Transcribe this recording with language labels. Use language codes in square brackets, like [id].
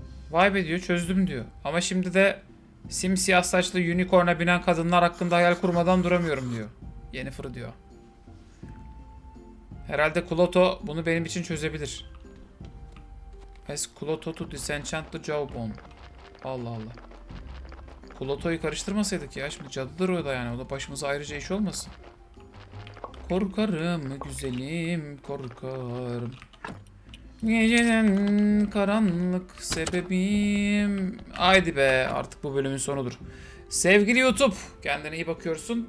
[tr] Vay be diyor, çözdüm diyor. Ama şimdi de simsiyah saçlı unicorn'a binen kadınlar hakkında hayal kurmadan duramıyorum diyor. Yennefer diyor. Herhalde Kloto bunu benim için çözebilir. [en] As Kloto to disenchant the jawbone. [tr] Allah Allah. Kloto'yu karıştırmasaydık ya. Şimdi cadıdır o da yani. O da başımıza ayrıca iş olmasın. Korkarım güzelim, korkarım. Gecenin karanlık sebebim. Haydi be, artık bu bölümün sonudur. Sevgili YouTube, kendine iyi bakıyorsun.